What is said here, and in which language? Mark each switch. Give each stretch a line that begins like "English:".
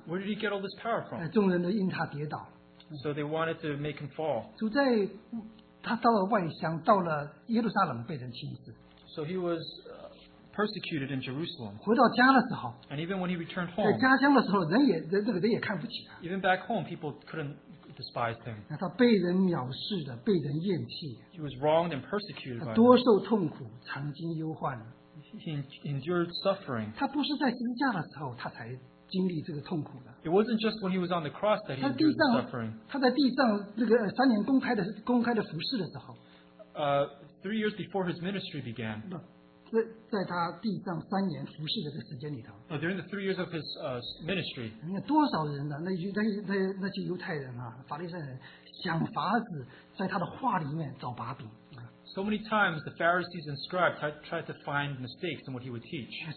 English: Where did he get all this power from?
Chinese: 众人都因他跌倒。
English: So they wanted to make him fall.
Chinese: 主在 他到了外乡，到了耶路撒冷被人轻视。
English: So he was persecuted in Jerusalem.
Chinese: 回到家的时候，
English: and even when he returned home，
Chinese: 在家乡的时候，人也看不起他。
English: Even back home, people couldn't despise him.
Chinese: 他被人藐视的，被人厌弃。
English: He was wronged and persecuted by them.
Chinese: 多受痛苦，常经忧患。
English: He endured suffering.
Chinese: 他不是在十字架的时候，他才经历这个痛苦的。
English: It wasn't just when he was on the cross that he endured suffering.
Chinese: 他在地上那个三年公开的服事的时候，
English: 3 years before his ministry began.
Chinese: 在他地上三年服事的这个时间里头，
English: during the 3 years of his ministry.
Chinese: 你看多少人呢？那些犹太人啊，法利赛人想法子在他的话里面找把柄。
English: So many times the Pharisees and scribes tried to find mistakes in what he would teach.